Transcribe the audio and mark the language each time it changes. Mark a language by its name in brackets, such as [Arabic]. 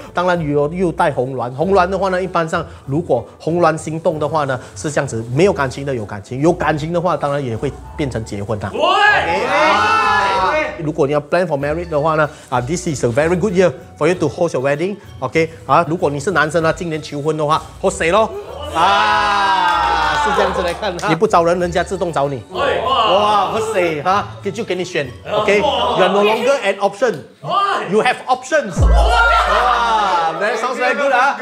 [Chinese] 当然又带红鸾，红鸾的话呢，一般上如果红鸾心动的话呢，是这样子，没有感情的有感情，有感情的话当然也会变成结婚啦。如果你要 [English] plan for marriage [Chinese] 的话呢， [English] this is a very good year for you to host your wedding. [Chinese] OK， 啊，如果你是男生呢，今年求婚的话 ，host 谁咯？啊，是这样子来看，你不找人，人家自动找你。哇。哇，不是哈，就给你选 [English] ，OK， you're no longer an option， you have options， 哇， that sounds very good 啊。